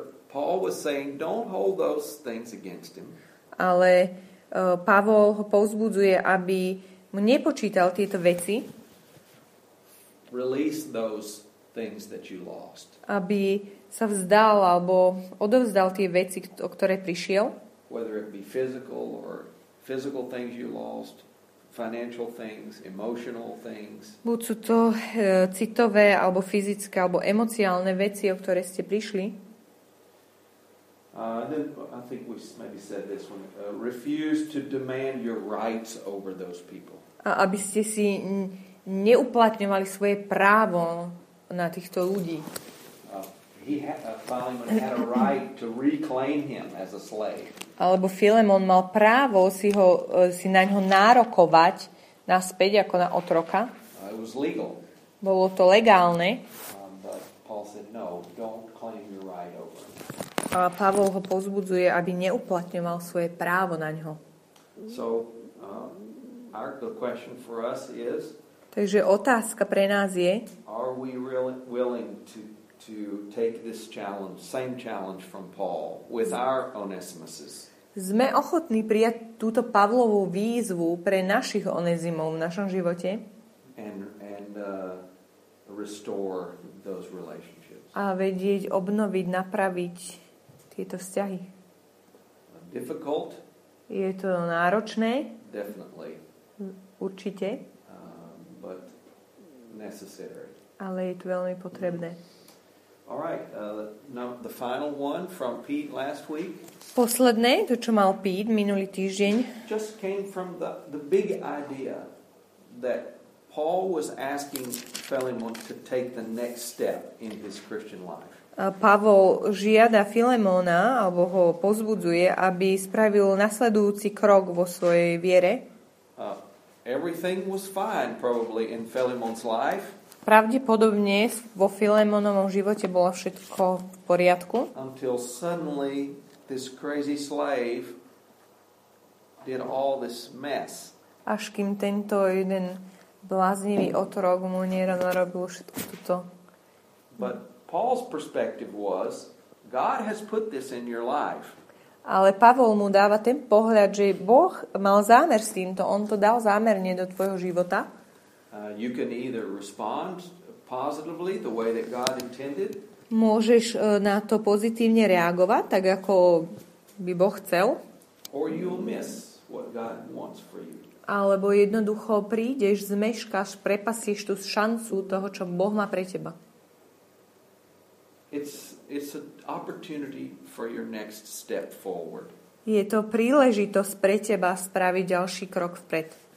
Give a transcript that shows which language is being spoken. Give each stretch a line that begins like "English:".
English: Paul was saying, don't hold those things against him.
Slovak: Ale Pavol ho povzbudzuje, aby mu nepočítal tieto veci.
English: Release those things that you lost.
Slovak: Aby sa vzdal alebo odovzdal tie veci, o ktoré prišiel.
English: Whether it be physical or physical things you lost. Financial things, emotional things.
Slovak: Buď sú to citové, alebo fyzické, alebo emociálne veci, o ktoré ste prišli.
English: I think we maybe said this one. Refuse to demand your rights over those people.
Slovak: A aby ste si neuplatňovali svoje právo na týchto ľudí.
English: Philemon had a right to reclaim him as a slave.
Slovak: Alebo Filemon mal právo si ho si na ňo nárokovať naspäť ako na otroka.
English: It was legal.
Slovak: Bolo to legálne.
English: But Paul said, no, don't claim your right over.
Slovak: A Pavol ho povzbudzuje, aby neuplatňoval svoje právo na ňo.
English: So, the question for us is,
Slovak: takže otázka pre nás je,
English: are we really willing to take this challenge, same challenge from Paul with our Onesimuses.
Slovak: Sme ochotní prijať túto Pavlovú výzvu pre našich Onesimov v našom živote?
English: And restore those relationships.
Slovak: A vedieť obnoviť, napraviť tieto vzťahy.
English: Difficult?
Slovak: Je to náročné?
English: Definitely.
Slovak: Určite.
English: But necessary.
Slovak: Ale je to veľmi potrebné.
English: All right. Now the final one from Pete last week.
Slovak: Posledné, to čo mal Pete minulý týždeň.
English: Just came from the big idea that Paul was asking Philemon to take the next step in his Christian life.
Slovak: Pavol žiada Filemona, alebo ho povzbudzuje, aby spravil nasledujúci krok vo svojej viere.
English: Everything was fine probably in Philemon's life.
Slovak: Pravdepodobne vo Filemonovom živote bolo všetko v poriadku.
English: Until suddenly this crazy slave did all this mess.
Slovak: Až kým tento jeden bláznivý otrok mu narobil všetko toto.
English: But Paul's perspective was, God has put this in your life.
Slovak: Ale Pavol mu dáva ten pohľad, že Boh mal zámer s týmto, on to dal zámerne do tvojho života.
English: You can either respond positively the way that God intended.
Slovak: Môžeš na to pozitívne reagovať, tak ako by Boh chcel.
English: Or you'll miss what God wants for you.
Slovak: Alebo jednoducho prídeš, zmeškáš, prepasíš tú šancu toho, čo Boh má pre teba.
English: It's an opportunity for your next step forward.
Slovak: Je to príležitosť pre teba spraviť ďalší krok vpred.